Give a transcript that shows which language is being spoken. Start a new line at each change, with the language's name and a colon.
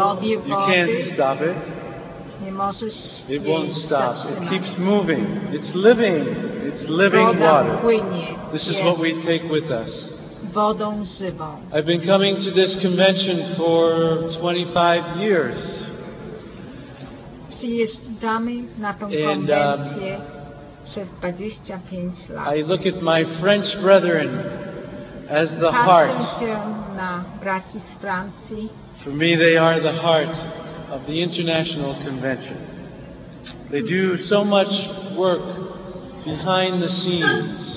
English: you can't stop it.
Polish: Nie możesz.
English: It won't stop. It keeps moving. It's living. It's living water. This is what we take with us.
Polish: Wodą żywą.
English: I've been coming to this convention for 25 years.
Polish: Przyjeżdżamy na tą konwencję przez 25 lat.
English: I look at my French brethren as the heart.
Polish: Na braci z Francji.
English: For me, they are the heart of the International Convention. They do so much work behind the scenes.